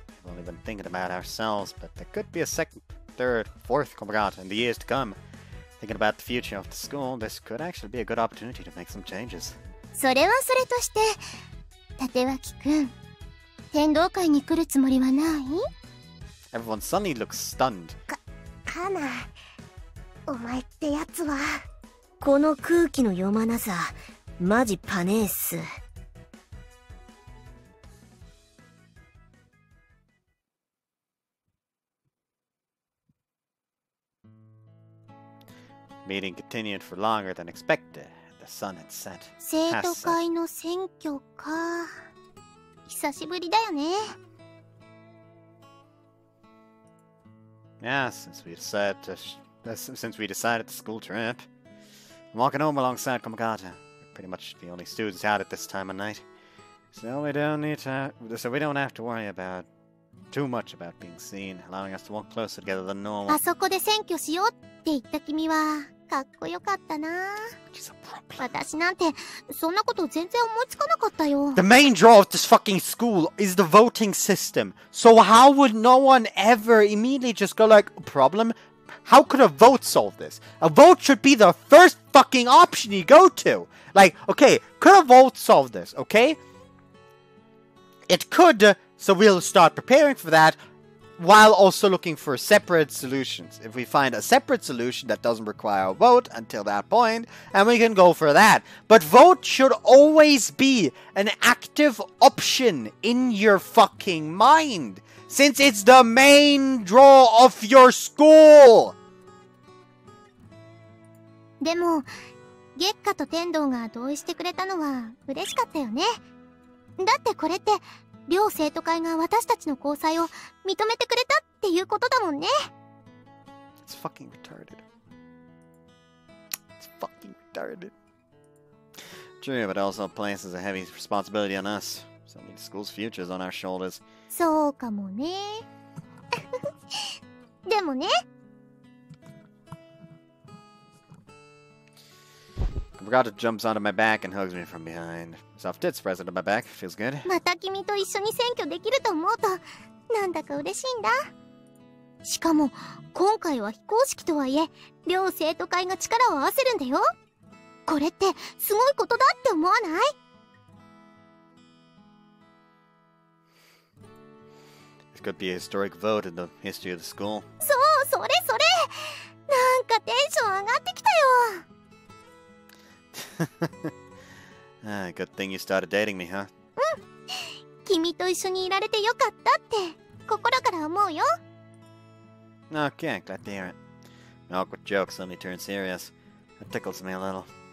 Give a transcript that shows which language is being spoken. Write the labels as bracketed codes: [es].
[en] Only been thinking about ourselves, but there could be a second, third, fourth Komagat in the years to come. Thinking about the future of the school, this could actually be a good opportunity to make some changes. [ja] それはそれとして、立脇くん、天道会に来るつもりはない? [en] Everyone suddenly looks stunned. [ja] カナ、お前ってやつは… この空気の読まなさ、マジパネーっす。 [en] Meeting continued for longer than expected. The sun had set. [ja] 生徒会の選挙か。久しぶりだよね。 [en] Yeah, since we decided the school trip. I'm walking home alongside Komagata. We're pretty much the only students out at this time of night. So we don't have to worry about too much about being seen, allowing us to walk closer together than normal. [ja] あそこで選挙しようって言った君は。かっこよかったな。私なんてそんなこと全然思いつかなかったよ。 [en] The main draw of this fucking school is the voting system. So how would no one ever immediately just go like, problem? How could a vote solve this? A vote should be the first fucking option you go to. Like, okay, could a vote solve this, okay? It could, so we'll start preparing for that. While also looking for separate solutions. If we find a separate solution that doesn't require a vote until that point, then we can go for that. But vote should always be an active option in your fucking mind, since it's the main draw of your school! [ja] でも、月下と天童が同意してくれたのは嬉しかったよね。だってこれって、両生徒会が私たちの交際を認めてくれたっていうことだもんね。 [en] It's fucking retarded. It's fucking retarded. True, but also places a heavy responsibility on us. So many schools' futures on our shoulders. [ja] そうかもね。でもね。 [en] Kamigata jumps onto my back and hugs me from behind. Soft tits press into my back. Feels good. [ja] また君と一緒に選挙できると思うと、なんだか嬉しいんだ。しかも、今回は非公式とはいえ、両生徒会が力を合わせるんだよ。これってすごいことだって思わない？ [en] This could be a historic vote in the history of the school. [ja] そう、それそれ。なんかテンション上がってきたよ。 [en] Good thing you started dating me, huh? [ja] うん。君と一緒にいられてよかったって心から思うよ。 [en] Okay, glad to hear it. My awkward joke suddenly turned serious. It tickles me a little.